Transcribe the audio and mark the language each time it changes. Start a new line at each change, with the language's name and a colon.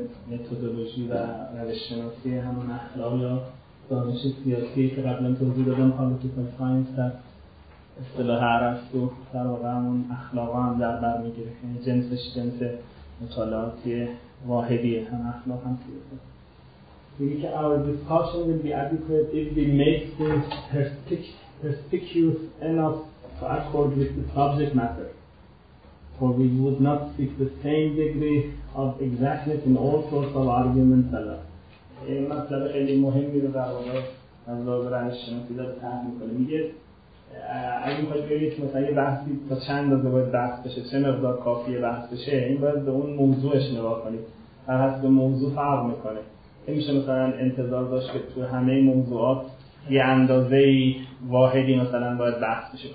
Persian: متدولوژی و روش شناسی همون اخلاق یا دانش سیاسی که قبلا توضیح دادم، پالیتیکال ساینس در اصطلاح ارسطو در واقع همون اخلاق هم در بر میگیره، یعنی جنسش جنس مطالعاتی واحدیه، هم اخلاق هم سیاسی. میگه که
English: our discussion will be adequate if we make the perspicuous enough to accord with the subject matter. For we would not seek the same degree of exactness in all sorts of arguments alone.
Persian: این مطلب خیلی مهمی رو در واقع از لحاظ روش شناسی داره طرح میکنه. میگه اگه میخواید بگید مثلا یه بحثی تا چند اندازه باید بحث بشه، چه مقدار کافیه بحث بشه، این باید به اون موضوعش نگاه کنید. فقط به موضوع فرق میکنه. نمیشه مثلا انتظار داشت که تو همه موضوعات یه اندازه واحدی مثلا باید بحث بشه.